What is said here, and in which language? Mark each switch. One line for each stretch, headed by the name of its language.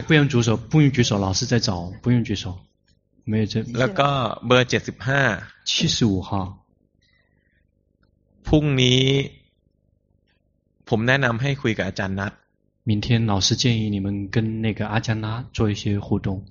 Chinese: 不用举手不用举手老师在找不用举手没有这
Thai: แล้วก็เบอร์75
Chinese: 75号
Thai: พรุ่งนี้ผมแนะนำให้คุยกับอาจารย์นัท
Chinese: 明天老师建议你们跟那个阿加纳做一些互动